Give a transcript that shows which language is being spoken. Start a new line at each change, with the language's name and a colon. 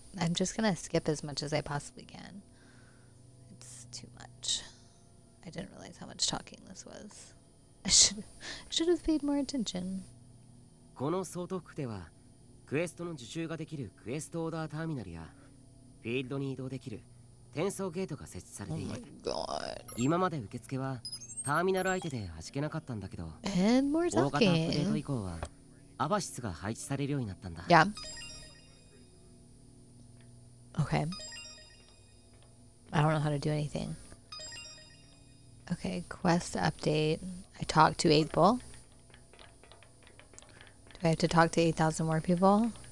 English: I'm just gonna skip as much as I possibly can. It's too much. I didn't realize how much talking this was. I should have paid more attention.
Japanese: この総督では、クエストの受注ができるクエストオーダーターミナルやフィールドに移動できる転送ゲートが設置されている。
English: Oh my
Japanese: god. 今まで受付はターミナル相手で弾けなかったんだけど、
English: And more talking.
Japanese: 大型アップデート以降はアバシスが配置されるようになったんだ。
English: Yeah. Okay. I don't know how to do anything. Okay, quest update. I talked to 8 people. Do I have to talk to 8,000 more people?